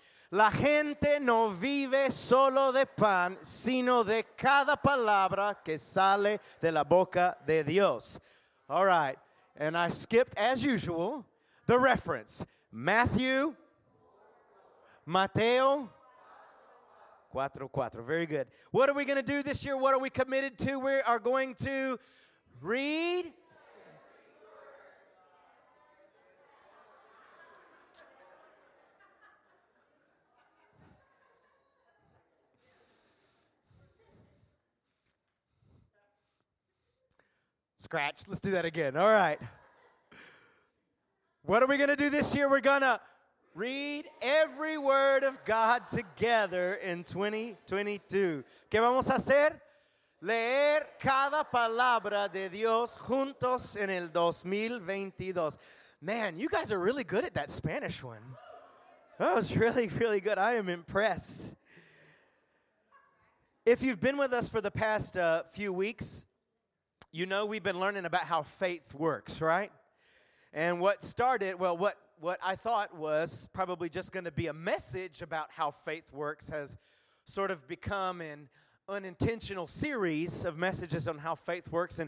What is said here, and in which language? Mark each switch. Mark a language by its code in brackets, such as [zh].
[es] La gente no vive solo de pan, sino de cada palabra que sale de la boca de Dios. [en] All right. And I skipped, as usual, the reference, Matthew, Mateo, 4:4. Very good. What are we going to do this year? What are we committed to? We are going to read. Scratch. Let's do that again. All right. What are we going to do this year? We're going to read every word of God together in 2022. [es] ¿Qué vamos a hacer? Leer cada palabra de Dios juntos en el 2022. [en] Man, you guys are really good at that Spanish one. That was really, really good. I am impressed. If you've been with us for the past few weeks, you know we've been learning about how faith works, right? And what started, well, what I thought was probably just going to be a message about how faith works has sort of become an unintentional series of messages on how faith works.